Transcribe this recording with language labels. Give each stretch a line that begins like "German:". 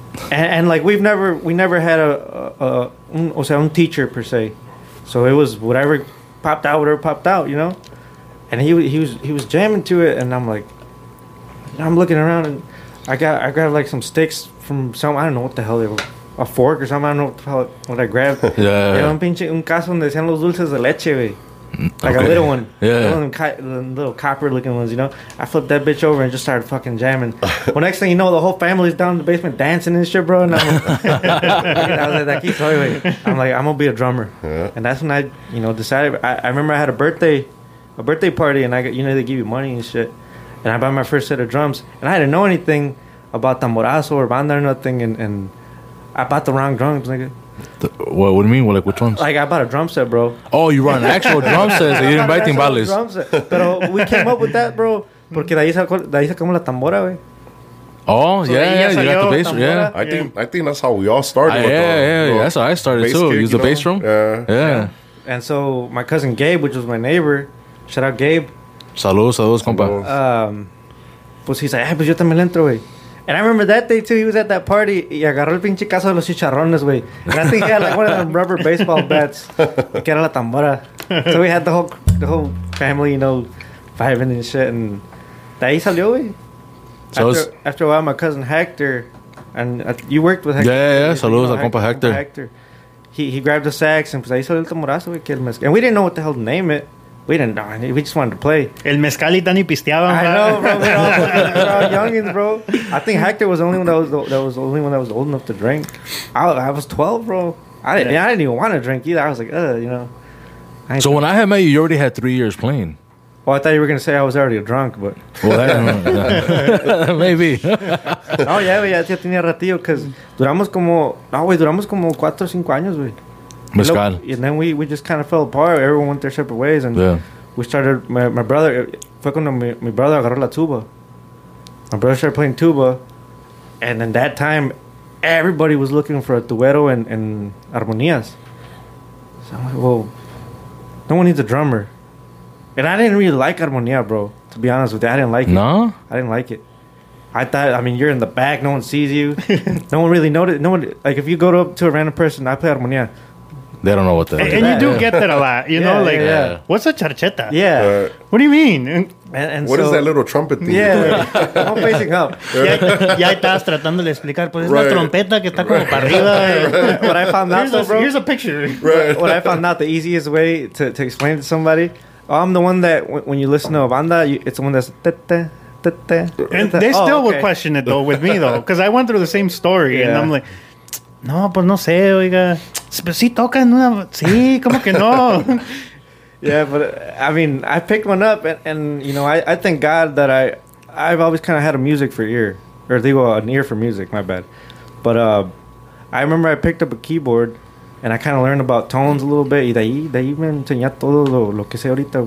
English: And like, we never had a teacher per se, so it was whatever popped out, you know. And he was jamming to it, and I'm like, I'm looking around, and I grabbed like some sticks from some, I don't know what the hell they were, a fork or something, I don't know what I grabbed. Yeah.
Spanish: Un pinche un caso donde sean los dulces de leche, güey.
English: Like, okay. A little one. Yeah. Little copper looking ones, you know. I flipped that bitch over and just started fucking jamming. Well, next thing you know, the whole family's down in the basement dancing and shit, bro. And I'm like, I was like, that keeps going. I'm like, I'm gonna be a drummer. Yeah. And that's when I, you know, decided. I remember I had a birthday party, and I got, you know, they give you money and shit. And I bought my first set of drums, and I didn't know anything about tamborazo or banda or nothing. And I bought the wrong drums, nigga. What do you mean? Well, like, which ones? Like, I bought a drum set, bro. Oh, you run actual drum sets. You didn't buy timbales. But we came up with that, bro.
Spanish: Porque de ahí sacamos la tambora, güey.
English: Oh, so yeah, yeah. You got the bass drum. Yeah. I think that's how we all started. That's how I started, too. Kick, use the bass drum. Yeah. And so my cousin Gabe, which was my neighbor. Shout out, Gabe.
Spanish: Saludos, compa. Pues
English: he's like, hey,
Spanish: pues yo también entro, güey.
English: And I remember that day, too. He was at that party.
Spanish: Y agarró el pinche caso de los chicharrones, güey.
English: And I think he had, like, one of them rubber baseball bats.
Spanish: Que era la tambora.
English: So we had the whole family, you know, vibing and shit. And
Spanish: de ahí salió, güey.
English: After a while, my cousin Hector, and you worked with Hector. Yeah. Saludos, you know, a compa Hector. He grabbed a sax, and
Spanish: pues ahí salió el tamborazo, güey.
English: And we didn't know what the hell to name it. We didn't know. We just wanted to play.
Spanish: El mezcal y Dani pisteaban.
English: I know, bro. We're all youngins, bro. I think Hector was the only one that was old enough to drink. I was 12, bro. I didn't even want to drink either. I was like, you know. So when I had met you, you already had 3 years playing. Well, I thought you were going to say I was already drunk, but. Well, I don't know. Maybe. Oh, yeah, but yeah,
Spanish: tenía ratillo,
English: because
Spanish: duramos como
English: 4 or 5 años, güey. Mezcal. And then we just kind of fell apart. Everyone went their separate ways. And yeah. We started, my brother,
Spanish: fue cuando mi brother agarró la tuba.
English: My brother started playing tuba. And then that time, everybody was looking for a tubero and armonías. So I'm like, well, no one needs a drummer. And I didn't really like armonía, bro. To be honest with you, I didn't like it. No? I didn't like it. I thought, I mean, you're in the back. No one sees you. No one really noticed. No one, like, if you go up to a random person, I play armonía. They don't know what that and is. And you do get that a lot, you know, like, what's a charcheta? Yeah. What do you mean? And what so, is that little trumpet thing? Yeah. I'm facing up.
Spanish: Ya estás tratando de explicar, pues es la trompeta que está como para arriba.
English: What I found out, though, bro. Here's a picture. Right. What I found out, the easiest way to explain to somebody, I'm the one that, when you listen to a banda, it's the one that's tete, tete. And they still would question it, though, with me, though, because I went through the same story, and I'm like, no,
Spanish: pues no sé, oiga. Sí, toca en una. Sí, ¿cómo que no?
English: Yeah, but I mean, I picked one up, and you know, I thank God that I've always kind of had a music for ear. Or, digo, an ear for music, my bad. But I remember I picked up a keyboard, and I kind of learned about tones a little bit.
Spanish: Y de ahí me enseñé todo lo que sé ahorita.